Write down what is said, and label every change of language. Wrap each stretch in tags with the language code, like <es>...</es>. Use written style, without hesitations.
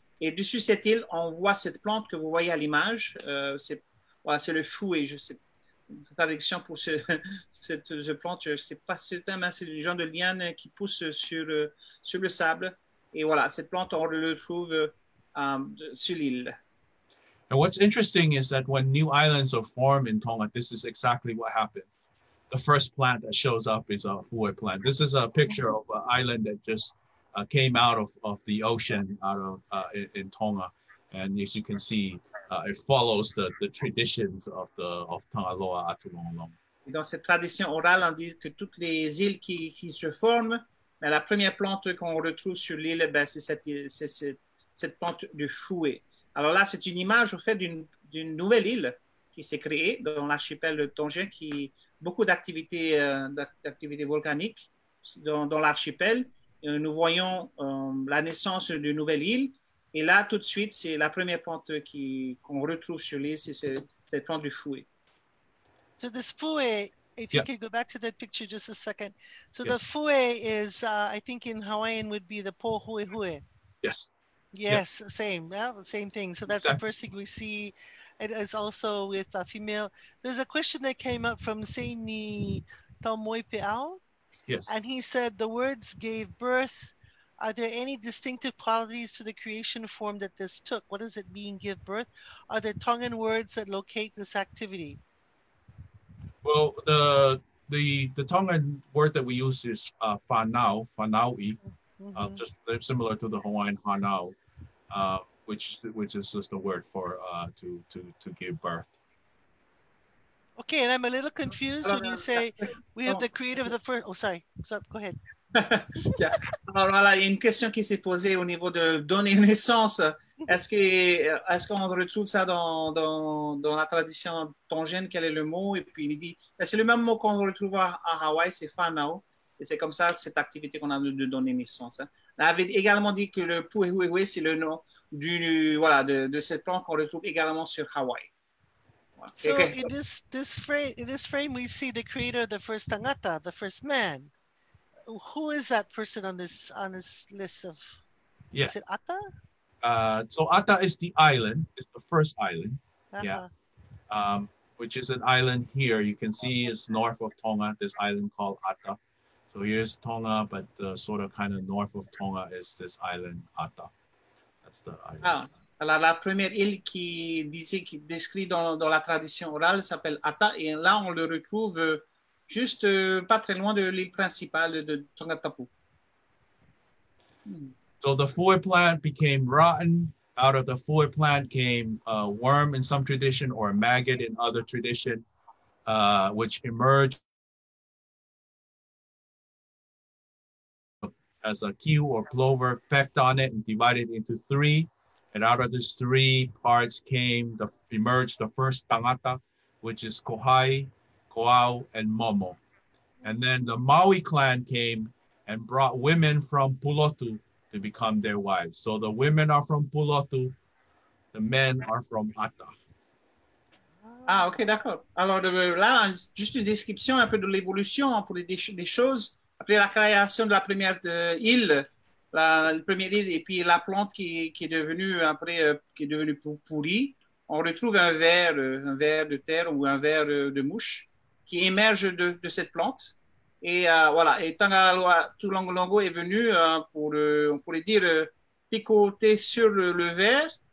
<fr>Et dessus cette île, on voit cette plante que vous voyez à l'image. C'est le fouet, je sais pas. Traduction pour cette plante, c'est pas certain, mais c'est du genre de liane qui pousse sur le sable. Et voilà, cette plante, on le trouve sur l'île.</fr> <en>And what's interesting is that when new islands are formed in Tonga, this is exactly what happened. The first plant that shows up is a hua plant. This is a picture of an island that just came out of the ocean in Tonga. And as you can see, it follows the traditions of Tangaloa Atu Longo Longo.</en> <fr>Dans cette tradition orale, on dit que toutes les îles qui se forment, mais la première plante qu'on retrouve sur l'île, c'est cette plante du fouet. Alors là, c'est une image au fait d'une nouvelle île qui s'est créée dans l'archipel de Tongien, qui beaucoup d'activités volcaniques dans l'archipel. Et nous voyons la naissance d'une nouvelle île. Et là, tout de suite, c'est la première plante qu'on retrouve sur l'île, c'est cette plante du fouet.</fr> <en>So this fouet, if you can go back to that picture just a second. So the fouet is, I think in Hawaiian, would be the pōhuehue. Yes. Yes, yep. Same. Well, same thing. So that's the first thing we see. It is also with a female. There's a question that came up from Seini Tomoipe'au. Yes. And he said the words gave birth Are there any distinctive qualities to the creation form that this took? What does it mean, give birth? Are there Tongan words that locate this activity? Well, the Tongan word that we use is whanau, whanaui, mm-hmm. Just similar to the Hawaiian hanau, which is just the word for to give birth. Okay, and I'm a little confused when you say we have the creative of the first. Oh, sorry. So go ahead. Yeah.</en> <fr>Alors là, voilà, il y a une question qui s'est posée au niveau de donner naissance. Est-ce qu'on retrouve ça dans la tradition tongienne? Quel est le mot? Et puis il dit, c'est le même mot qu'on retrouve à Hawaï, c'est whanau. Et c'est comme ça, cette activité qu'on a de donner naissance. Hein. Il avait également dit que le puehuehue, c'est le nom de cette plante qu'on retrouve également sur Hawaï.</fr> <en>So in this frame, we see the creator of the first tangata, the first man. Who is that person on this list of? Yeah. Is it Ata? So Ata is the island. It's the first island. Uh-huh. Yeah. Which is an island here. You can see it's north of Tonga. This island called Ata. So here's Tonga, but sort of kind of north of Tonga is this island Ata. That's the island. Oh.</en> <fr>Alors, la première île qui décrit dans la tradition orale s'appelle Ata, et là, on le retrouve juste pas très loin de l'île principale de Tongatapu.</fr> <en>So the fuwe plant became rotten. Out of the fuwe plant came a worm in some tradition or a maggot in other tradition, which emerged as a kiu or plover, pecked on it and divided into three. And out of these three parts emerged the first tangata, which is kohai, koau, and momo. And then the Māui clan came and brought women from Pulotu to become their wives. So the women are from Pulotu, the men are from Ata.</en> <fr>Ah, ok, d'accord. Alors là, juste une description un peu de l'évolution pour des choses. Après la création de la première île, la première île, et puis la plante qui est devenue après qui est devenue pourrie, on retrouve un ver de terre ou un ver de mouche qui émerge de cette plante, et voilà, et Tangaloa Tulongolongo est venu on pourrait dire picoter sur le ver</fr>